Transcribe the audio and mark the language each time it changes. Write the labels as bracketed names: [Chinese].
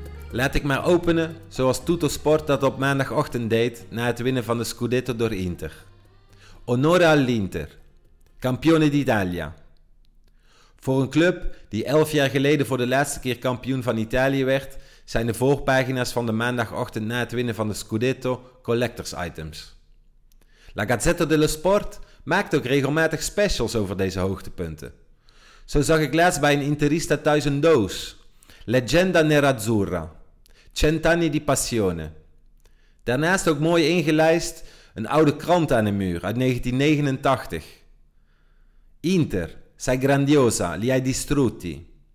[Dutch] Laat ik maar openen zoals Tutto Sport dat op maandagochtend deed na het winnen van de Scudetto door Inter. [Italian] Onore all'Inter, campione d'Italia. [Dutch] Voor een club die 11 jaar geleden voor de laatste keer kampioen van Italië werd, zijn de voorpagina's van de maandagochtend na het winnen van de Scudetto collectors items. La Gazzetta dello Sport maakt ook regelmatig specials over deze hoogtepunten. Zo zag ik laatst bij een Interista thuis een doos. Leggenda Nerazzurra. 100 anni di passione. Daarnaast ook mooi ingelijst een oude krant aan de muur uit 1989. [Italian] Inter, sei grandiosa, li hai distrutti.